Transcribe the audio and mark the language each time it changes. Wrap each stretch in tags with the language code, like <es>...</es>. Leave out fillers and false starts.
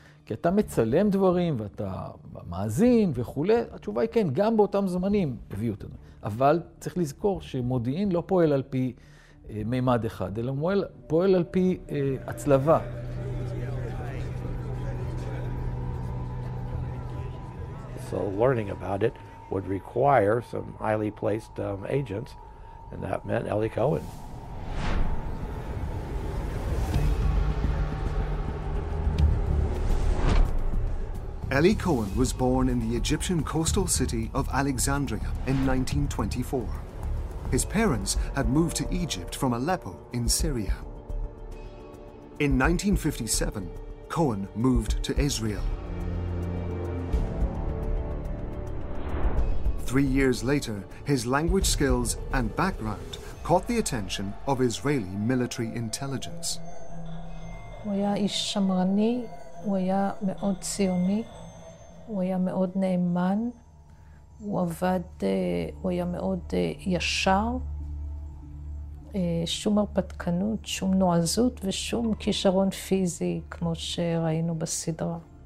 <he>כי אתה מצלם דברים ואתה מאזין וכו'. התשובה היא כן, גם באותם זמנים הביא אותו. אבל צריך לזכור שמודיעין לא פועל על פי מימד אחד, אלא הוא פועל על פי הצלבה.</he> <en>So learning about it would require some highly placed agents, and that meant Eli Cohen. Eli Cohen was born in the Egyptian coastal city of Alexandria in 1924. His parents had moved to Egypt from Aleppo in Syria. In 1957, Cohen moved to Israel. 3 years later, his language skills and background caught the attention of Israeli military intelligence. He was a</en> <he>איש שמרני, הוא היה מאוד ציוני, הוא היה מאוד נאמן, הוא עבד, הוא היה מאוד ישר, שום הרפתקנות, שום נועזות ושום כישרון פיזי כמו שראינו בסדרה.</he>